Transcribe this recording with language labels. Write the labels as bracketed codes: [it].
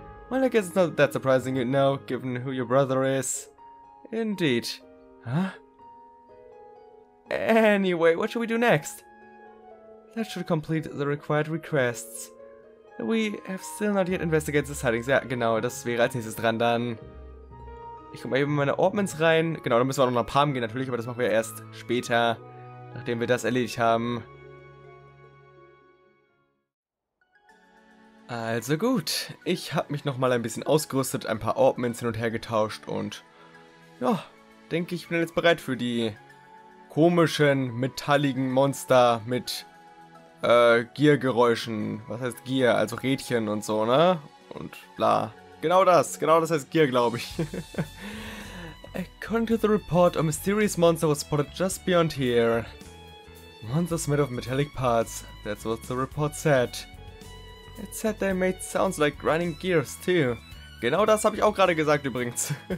[en] Well, I guess it's not that surprising you know, given who your brother is. Indeed. Huh? Anyway, what should we do next? That should complete the required requests. We have still not yet investigated the sightings. [de] Ja, genau, das wäre als nächstes dran dann. Ich guck mal eben in meine Ordments rein. Genau, da müssen wir auch noch nach Palm gehen natürlich, aber das machen wir erst später, nachdem wir das erledigt haben. Also gut, ich habe mich nochmal ein bisschen ausgerüstet, ein paar Ordments hin und her getauscht und ja, denke ich bin jetzt bereit für die komischen, metalligen Monster mit Giergeräuschen. Was heißt Gier? Also Rädchen und so, ne? Und bla. Genau das heißt Gier, glaube ich. [en] According to the report, a mysterious monster was spotted just beyond here. Monsters made of metallic parts, that's what the report said. It said they made sounds like grinding gears too. [de] Genau das habe ich auch gerade gesagt übrigens.